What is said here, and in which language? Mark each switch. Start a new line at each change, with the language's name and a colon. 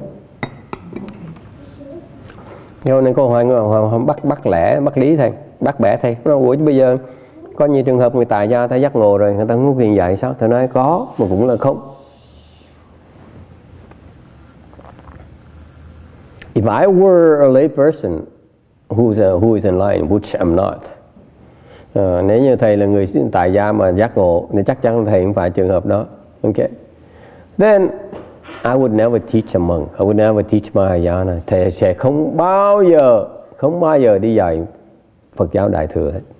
Vietnamese: Okay. Do nên câu hỏi người bắt lẽ, bắt lý thầy, bắt bẻ thầy. Ủa, bây giờ có nhiều trường hợp người tài gia thấy giác ngộ rồi, người ta muốn quyền dạy sao? Thầy nói có, mà cũng là không.
English: If I were a lay person who is enlightened, which I'm not,
Vietnamese: nếu như thầy là người tại gia mà giác ngộ, thì chắc chắn thầy không phải trường hợp đó. Okay?
English: Then I would never teach a monk. I would never teach Mahayana.
Vietnamese: Thầy sẽ không bao giờ đi dạy Phật giáo Đại thừa.